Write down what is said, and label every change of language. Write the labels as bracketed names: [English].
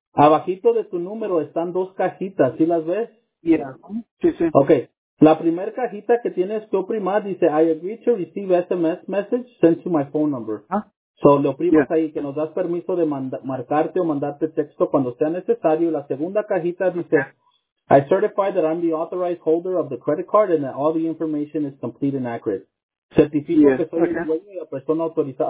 [Spanish] Abajito de tu número están dos cajitas, ¿sí las ves? [English] Yeah. [Spanish] Sí, sí. [English] Okay. [Spanish] La primera cajita que tienes que oprimar dice, [English] I agree to receive SMS message sent to my phone number. [Spanish] So, le oprimas ahí, que nos das permiso de marcarte o mandarte texto cuando sea necesario. La segunda cajita dice, [English] I certify that I'm the authorized holder of the credit card and that all the information is complete and accurate. [Spanish] Certifico que soy el dueño y la persona autorizada.